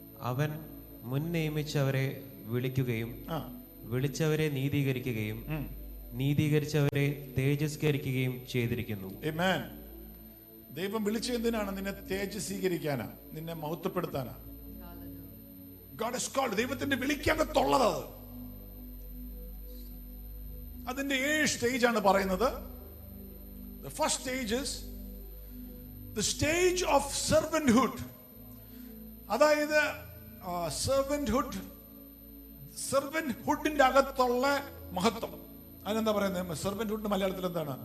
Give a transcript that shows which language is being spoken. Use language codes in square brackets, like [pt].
[ml] അവൻ മുൻ നിയമിച്ചവരെ വിളിക്കുകയും വിളിച്ചവരെ നീതീകരിക്കുകയും നീതീകരിച്ചവരെ തേജസ്കരിക്കുകയും ചെയ്തിരിക്കുന്നു. ആമേൻ. ദൈവം വിളിച്ച എന്തിനാണ്? നിന്നെ തേജസ്വീകരിക്കാനാ, നിന്നെ മഹത്വപ്പെടുത്താനാ. [en] God has called. [ml] ദൈവത്തിന്റെ വിളിക്കകത്തുള്ളത് അതിന്റെ ഏഴ് സ്റ്റേജ് ആണ് പറയുന്നത്. [en] The first stage is the stage of servanthood. [ml] അതായത് servanthood, servanthood ന്റെ അകത്തുള്ള മഹത്വം. അതിനെന്താ പറയുന്നത്? servanthood ന്റെ മലയാളത്തിൽ എന്താണ്?